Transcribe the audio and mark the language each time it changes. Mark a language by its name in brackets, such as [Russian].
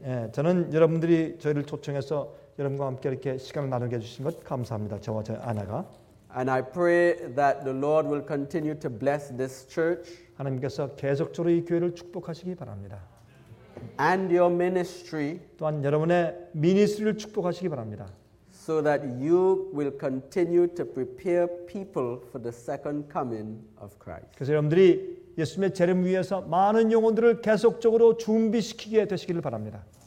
[Korean] 예, 저는 여러분들이 저희를 초청해서 여러분과 함께 이렇게 시간을 나누게 해주신 것 감사합니다. 저와 저희 아내가. [English] And I pray that the Lord will continue to bless this church. [Korean] 하나님께서 계속적으로 이 교회를 축복하시기 바랍니다. [English] And your ministry. [Korean] 또한 여러분의 미니스트리를 축복하시기 바랍니다. [English] So that you will continue to prepare people for the second coming of Christ. [Korean] 그래서 여러분들이 예수님의 재림 위해서 많은 영혼들을 계속적으로 준비시키게 되시기를 바랍니다.